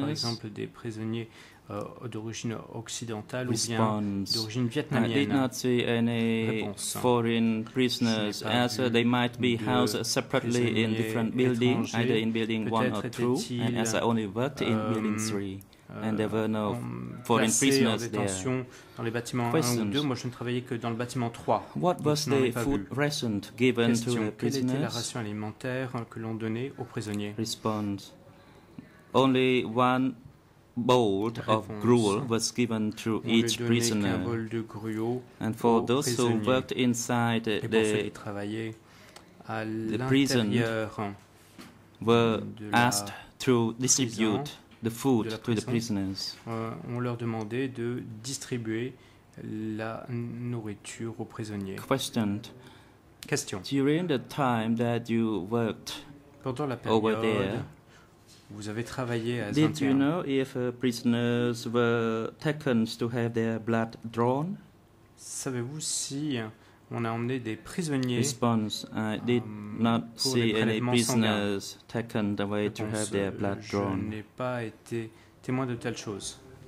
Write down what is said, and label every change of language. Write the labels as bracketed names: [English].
[French] Par exemple, des prisonniers d'origine occidentale ou bien d'origine vietnamienne. [English] I did not see any foreign prisoners, as they might be housed separately in different buildings, either in building 1 or 2, and as I only worked in building 3. And there were no foreign prisoners there. [French] Dans les bâtiments 1 ou 2, moi je ne travaillais que dans le bâtiment 3. [English] What was the food ration given to the prisoners? [French] Quelle était la ration alimentaire que l'on donnait aux prisonniers? [English] Response. Only one bowl of gruel was given to each prisoner. [French] Qu'un bol de gruau. [English] And for those who worked inside the prison, were asked to distribute the food to the prisoners. [French] On leur demandait de distribuer la nourriture aux prisonniers. [English] Question. During the time that you worked [French] pendant la période [English] over there, [French] vous avez travaillé à Zintia. [English] Did you know if prisoners were taken to have their blood drawn? [French] Savez-vous si on a emmené des prisonniers? [English] Response. I did not see any prisoners taken away to have their blood drawn. [French] Je n'ai pas été témoin de telle chose.